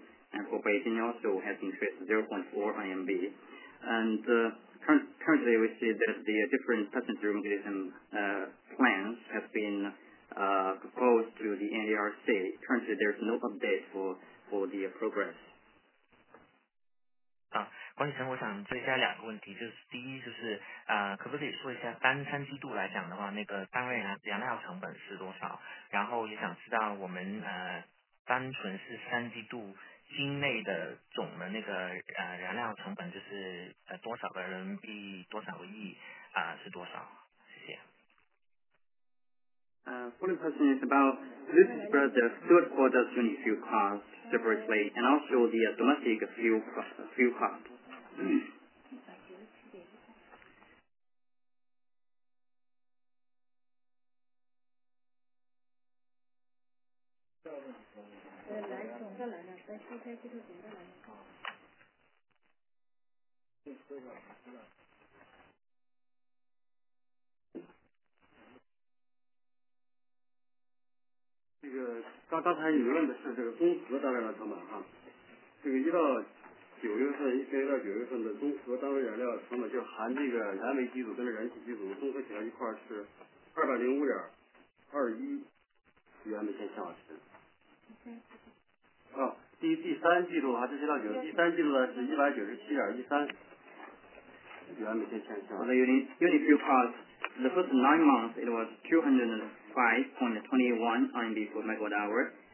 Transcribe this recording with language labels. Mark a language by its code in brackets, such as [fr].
[en] And for Beijing also has increased 0.4 RMB. And currently we see that the different passenger mobility plans have been proposed to the NDRC. Currently there's no update for the progress. [zh] 啊，管理层，我想追加两个问题，就是第一，就是可不可以说一下单三季度来讲的话，那个单位燃料成本是多少？然后也想知道我们单纯是三季度境内的总的那个燃料成本，就是多少个人民币，多少个亿是多少？谢谢。 [en] For the question is about this is about the third quarter unit fuel cost separately and also the domestic fuel cost. [zh] 刚才你问的是这个综合单位的成本哈，这个一到九月份的综合单位燃料成本就含这个燃煤机组跟燃气机组综合起来一块是205.21元每千千瓦时。第三季度啊，这是到九，第三季度的是197.13元每千千瓦时。 [en] The unit fuel cost the first 9 months it was 205.21 RMB per megawatt hour.